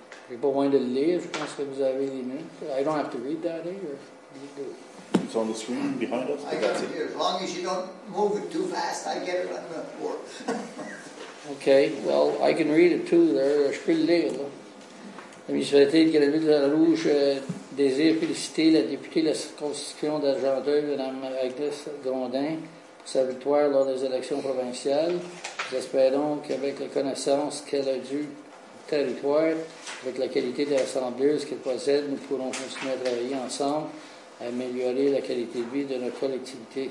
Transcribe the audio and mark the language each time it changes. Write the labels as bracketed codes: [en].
[fr] J'ai pas besoin de le lire, je pense que vous avez les minutes. [en] I don't have to read that either. It's on the screen behind us. I got it here. As long as you don't move it too fast, I get it on the board. OK. Well, I can read it too. There. [fr] Je peux le lire, là. La municipalité de Grenville-de-la-Rouge désire féliciter la députée de la circonscription d'Argenteuil, Mme Agnès Grondin, pour sa victoire lors des élections provinciales. Nous espérons qu'avec la connaissance qu'elle a du territoire, avec la qualité des assembleuses qu'elle possède, nous pourrons continuer à travailler ensemble à améliorer la qualité de vie de notre collectivité.